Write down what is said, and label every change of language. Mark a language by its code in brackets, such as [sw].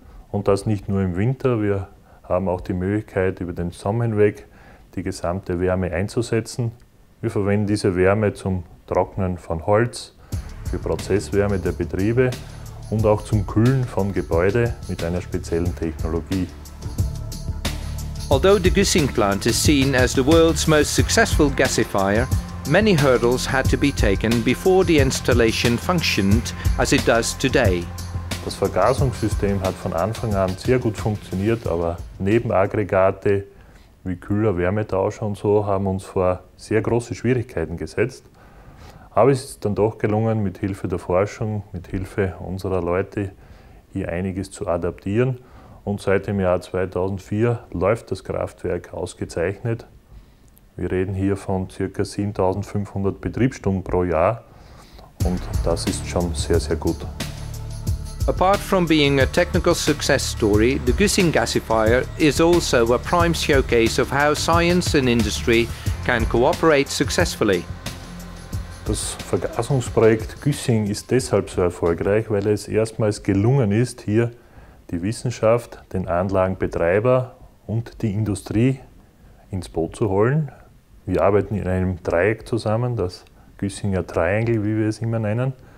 [de] Und das nicht nur im Winter, wir haben auch die Möglichkeit, über den Sommer hinweg die gesamte Wärme einzusetzen. Wir verwenden diese Wärme zum Trocknen von Holz, für Prozesswärme der Betriebe und auch zum Kühlen von Gebäuden mit einer speziellen Technologie. [en] Although the Güssing plant is seen as the world's most successful gasifier, many hurdles had to be taken before the installation functioned as it does today. [de] Das Vergasungssystem hat von Anfang an sehr gut funktioniert, aber Nebenaggregate wie Kühler, Wärmetauscher und so haben uns vor sehr große Schwierigkeiten gesetzt. Aber es ist dann doch gelungen, mit Hilfe der Forschung, mit Hilfe unserer Leute hier einiges zu adaptieren. Und seit dem Jahr 2004 läuft das Kraftwerk ausgezeichnet. Wir reden hier von ca. 7500 Betriebsstunden pro Jahr und das ist schon sehr, sehr gut. [en] Apart from being a technical success story, the Güssing gasifier is also a prime showcase of how science and industry can cooperate successfully. [de] Das Vergasungsprojekt Güssing ist deshalb so erfolgreich, weil es erstmals gelungen ist, hier die Wissenschaft, den Anlagenbetreiber und die Industrie ins Boot zu holen. Wir arbeiten in einem Dreieck zusammen, das Güssinger Triangle, wie wir es immer nennen.